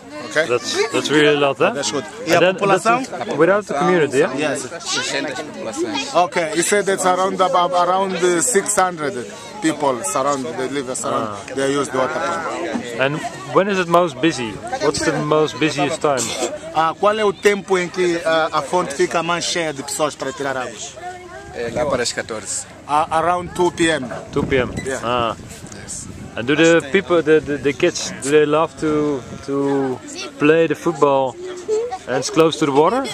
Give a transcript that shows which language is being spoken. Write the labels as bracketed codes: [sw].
[en] Okay. That's really a lot, huh? That's good. And yeah, then, population? Without the community, yeah? Yes. Okay, you said it's around 600 people surround, they live around, they use the water pump. And when is it most busy? What's the most busiest time? [pt] Qual é o tempo em que a fonte fica mais cheia de pessoas para tirar águas? Lá para as 14. [en] Around 2 p.m. 2 p.m.? Yeah. And do the people, the kids, do they love to play the football and it's close to the water?